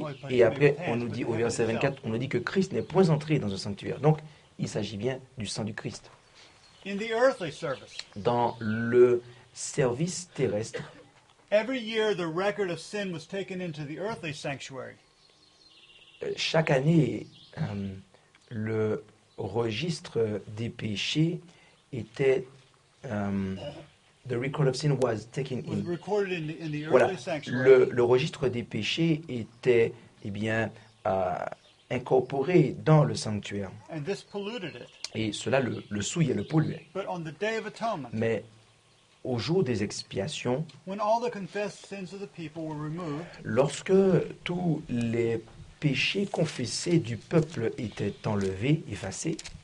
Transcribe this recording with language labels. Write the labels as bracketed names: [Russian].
[French] Et après, on nous dit au verset 24, on nous dit que Christ n'est point entré dans un sanctuaire. Donc, il s'agit bien du sang du Christ. [English] In the earthly service. [French] Dans le service terrestre. [English] Every year, the record of sin was taken into the earthly sanctuary. [French] Chaque année, le registre des péchés était. [English] The record of sin was taken in. Was recorded in the early sanctuary. [French] Voilà. Le registre des péchés était, eh bien, incorporé dans le sanctuaire. And this polluted it. Et cela le souillait, le polluait. But on the day of atonement. Mais au jour des expiations, when all the confessed sins of the people were removed, lorsque tous les péché confessé du peuple était enlevé, effacé.